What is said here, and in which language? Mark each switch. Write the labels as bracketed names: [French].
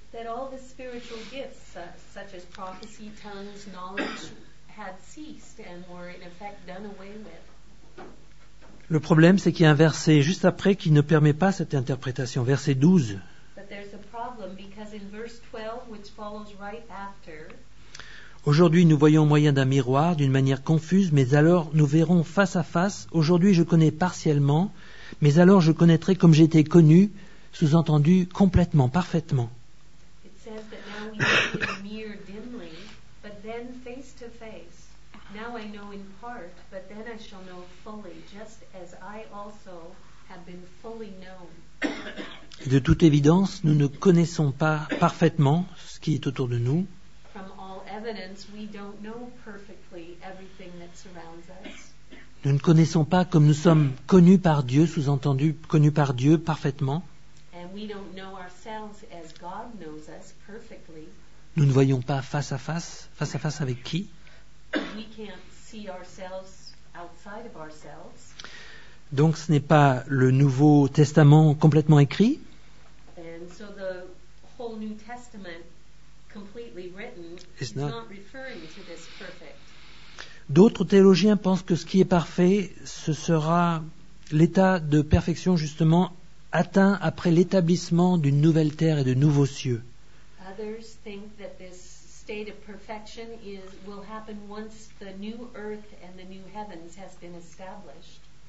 [English] That all the spiritual gifts, such as prophecy, tongues, knowledge, had ceased and were in effect done away with. [French] Le problème, c'est qu'il y a un verset juste après qui ne permet pas cette interprétation. Verset 12. [English] But there's a problem because in verse 12, which follows right after, [French] aujourd'hui, nous voyons au moyen d'un miroir, d'une manière confuse, mais alors nous verrons face à face. Aujourd'hui, je connais partiellement, mais alors je connaîtrai comme j'ai été connu, sous-entendu complètement, parfaitement. [English] It says that now we see in a mirror dimly, but then face to face. Now I know in part, but then I shall know fully, just as I also have been fully known. [French] De toute évidence, nous ne connaissons pas parfaitement ce qui est autour de nous. [English] From all evidence, we don't know perfectly everything that surrounds us. [French] Nous ne connaissons pas comme nous sommes connus par Dieu, sous-entendu connus par Dieu parfaitement. [English] And we don't know ourselves as God knows us perfectly. [French] Nous ne voyons pas face à face avec qui? [English] We can't see ourselves outside of ourselves. [French] Donc ce n'est pas le Nouveau Testament complètement écrit. [English] And so the whole New Testament completely written is not referring to this perfect. [French] D'autres théologiens pensent que ce qui est parfait, ce sera l'état de perfection justement atteint après l'établissement d'une nouvelle terre et de nouveaux cieux. [English] Others think that this state of perfection is will happen once the new earth and the new heavens has been established.